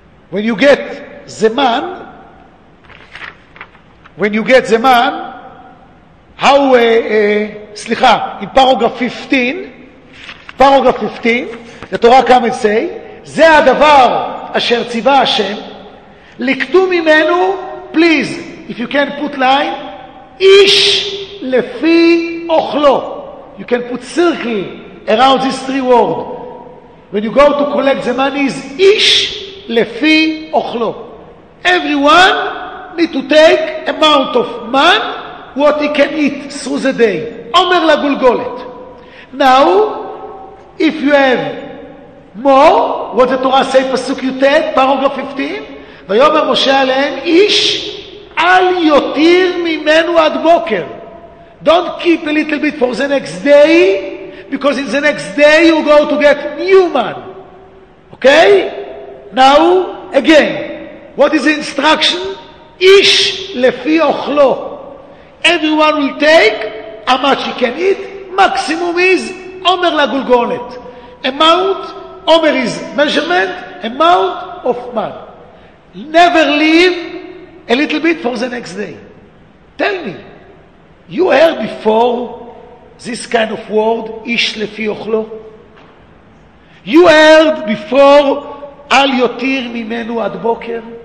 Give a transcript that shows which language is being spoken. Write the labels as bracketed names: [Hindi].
[English] when you get the man, when you get the man, how, [Hebrew] סליחה, [English] in paragraph 15, paragraph 15, the Torah come and say, [Hebrew] זה הדבר אשר ציווה השם, לקטו ממנו, [English] please, if you can put line, [Hebrew] איש לפי אוכלו. [English] You can put circle around this three word. When you go to collect the money, is [Hebrew] איש לפי אוכלו. [English] Everyone need to take amount of man what he can eat through the day. [Hebrew] Omer la gulgolet. [English] Now, if you have more, what the Torah say, פסוק יוטט, paragraph 15, [Hebrew] ויאמר משה עליהם, איש, אל יותיר ממנו עד בוקר. [English] Don't keep a little bit for the next day, because in the next day you go to get new man. Okay? Now, again, what is the instruction? [Hebrew] איש לפי אוכלו. [English] Everyone will take how much he can eat. Maximum is [Hebrew] עומר לגולגולת. [English] Amount, עומר is measurement, amount of man. Never leave a little bit for the next day. Tell me, you heard before this kind of word, [Hebrew] איש לפי אוכלו? You heard before, אל יותיר ממנו עד בוקר?